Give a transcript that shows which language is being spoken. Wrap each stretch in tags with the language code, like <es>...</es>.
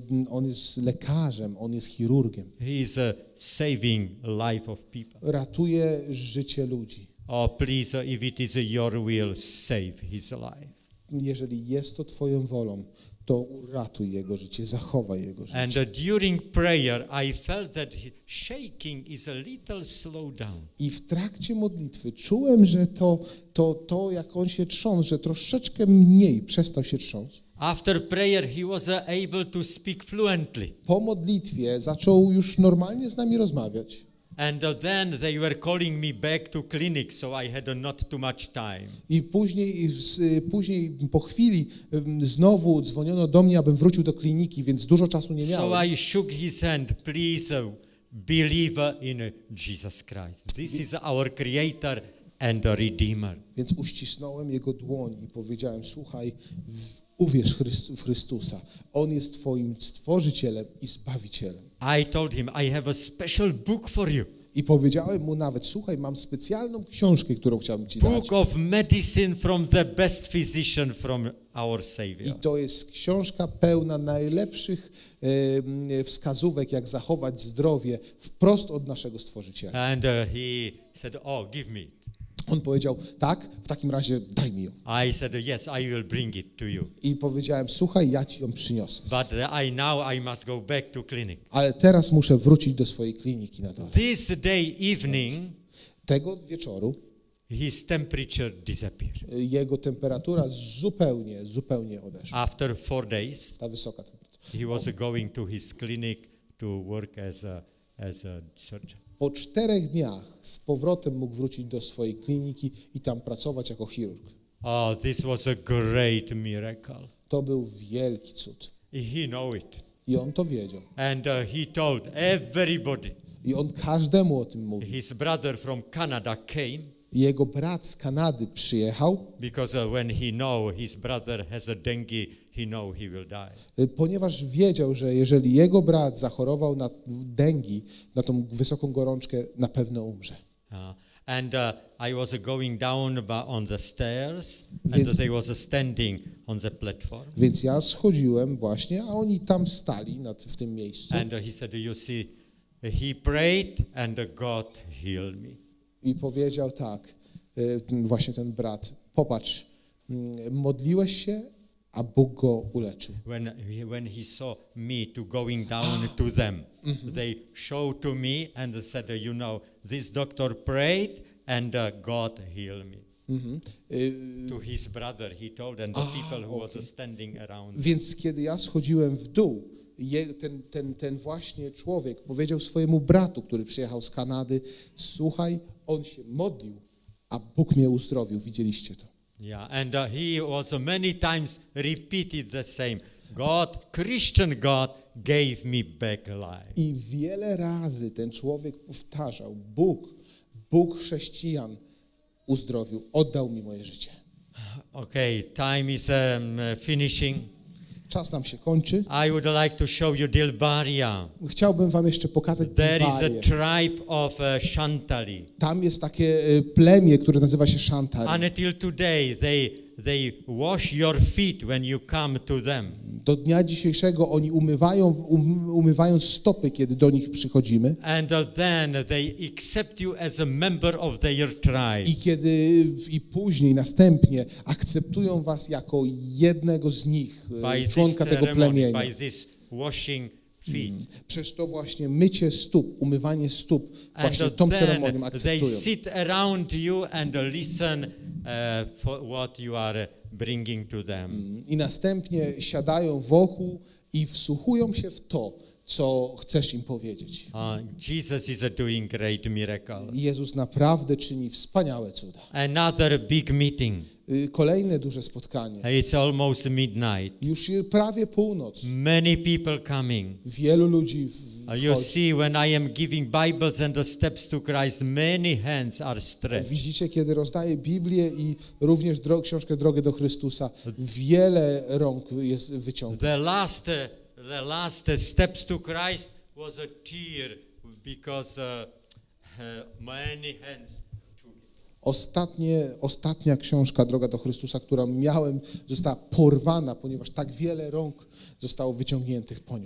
<pl>On jest lekarzem, on jest chirurgiem.</pl> <en>He is a saving life of people.</en> <pl>Ratuje życie ludzi.</pl> <en>Oh, please, if it is your will, save his life.</en> <pl>Jeżeli jest to Twoją wolą, to uratuj jego życie, zachowaj jego życie.</pl> <en>And during prayer, I felt that shaking is a little slow down.</en> <pl>I w trakcie modlitwy czułem, że to jak on się trząsł, że troszeczkę mniej przestał się trząsć.</pl> <en>After prayer, he was able to speak fluently.</en> <pl>Po modlitwie zaczął już normalnie z nami rozmawiać.</pl> <en>And then they were calling me back to clinic, so I had not too much time.</en> <pl>I później po chwili znowu dzwoniono do mnie, abym wrócił do kliniki, więc dużo czasu nie miałem.</pl> <en>So I shook his hand, please believe in Jesus Christ. This is our Creator and Redeemer.</en> <pl>Więc uścisnąłem jego dłoń i powiedziałem, słuchaj, uwierz w Chrystusa. On jest twoim stworzycielem i zbawicielem.</pl> <en>I told him, I have a special book for you.</en> <pl>I powiedziałem mu nawet, słuchaj, mam specjalną książkę, którą chciałbym ci dać.</pl> <en>Book of medicine from the best physician from our Savior.</en> <pl>I to jest książka pełna najlepszych wskazówek, jak zachować zdrowie wprost od naszego stworzyciela.</pl> <en>And he said, oh, give me it.</en> <pl>On powiedział, tak, w takim razie daj mi ją.</pl> <en>I said, yes, I will bring it to you.</en> <pl>I powiedziałem, słuchaj, ja ci ją przyniosę.</pl> <en>But now I must go back to clinic.</en> <pl>Ale teraz muszę wrócić do swojej kliniki na dole.</pl> <en>This day evening,</en> <pl>tego wieczoru,</pl> <en>his temperature disappeared.</en> <pl>Jego temperatura zupełnie odeszła.</pl> <en>After 4 days,</en> <pl>ta wysoka temperatura.</pl> <en>He was going to his clinic to work as a surgeon.</en> <pl>Po 4 dniach z powrotem mógł wrócić do swojej kliniki i tam pracować jako chirurg.</pl> <en>Oh, this was a great miracle.</en> <pl>To był wielki cud.</pl> <en>He knew it.</en> <pl>I on to wiedział.</pl> <en>And he told everybody.</en> <pl>I on każdemu o tym mówił.</pl> <en>His brother from Canada came.</en> <pl>Jego brat z Kanady przyjechał.</pl> <en>Because when he knew his brother has a dengue, he knew he will die.</en> <pl>Ponieważ wiedział, że jeżeli jego brat zachorował na dengue, na tą wysoką gorączkę, na pewno umrze.</pl> <en>And I was going down on the stairs, więc, and they was standing on the platform.</en> <pl>Więc ja schodziłem właśnie, a oni tam stali w tym miejscu.</pl> <en>And he said, you see, he prayed and God healed me.</en> <pl>I powiedział tak, właśnie ten brat, popatrz, modliłeś się, a Bóg go uleczył.</pl> <en>When he saw me to going down to them, they showed to me and said, you know, this doctor prayed and God healed me. To his brother he told and the people who was standing around.</en> <pl>Więc kiedy ja schodziłem w dół, ten właśnie człowiek powiedział swojemu bratu, który przyjechał z Kanady, słuchaj, on się modlił, a Bóg mnie uzdrowił, widzieliście to.</pl> <en>Yeah, and he also many times repeated the same. God, Christian God gave me back life.</en> <pl>I wiele razy ten człowiek powtarzał, Bóg chrześcijan uzdrowił, oddał mi moje życie.</pl> <en>Okay, time is finishing.</en> <pl>Czas nam się kończy.</pl> <en>I would like to show you Dilbaria.</en> <pl>Chciałbym wam jeszcze pokazać Dilbarię.</pl> <en>There is a tribe of Shantali.</en> <pl>Tam jest takie plemię, które nazywa się Shantali.</pl> <en>And until today they wash your feet when you come to them.</en> <pl>Do dnia dzisiejszego oni umywają stopy, kiedy do nich przychodzimy.</pl> <en>And then they accept you as a member of their tribe.</en> <pl>I później akceptują was jako jednego z nich,</pl> <en>by</en> <pl>członka</pl> <en>this ceremony,</en> <pl>tego plemienia.</pl> <en>By this washing feet.</en> <pl>Przez to właśnie mycie stóp, umywanie stóp, właśnie</pl> <en>and</en> <pl>tą ceremonią akceptują.</pl> <en>They sit around you and listen for what you are bringing to them.</en> <pl>I następnie siadają wokół i wsłuchują się w to, co chcesz im powiedzieć.</pl> <en>Jesus is doing great miracles.</en> <pl>Jezus naprawdę czyni wspaniałe cuda.</pl> <en>Another big meeting.</en> <pl>Kolejne duże spotkanie.</pl> <en>It's almost midnight.</en> <pl>Już prawie północ.</pl> <en>Many people coming.</en> <pl>Wielu ludzi wchodzi.</pl> <en>You see, when I am giving Bibles and the steps to Christ, many hands are stretched.</en> <pl>Widzicie, kiedy rozdaję Biblię i również książkę Drogę do Chrystusa, wiele rąk jest wyciągnięte.</pl> <en>The last steps to Christ was a tear because many hands took it.</en> <pl>Ostatnia książka Droga do Chrystusa, którą miałem, została porwana, ponieważ tak wiele rąk zostało wyciągniętych po nią.</pl>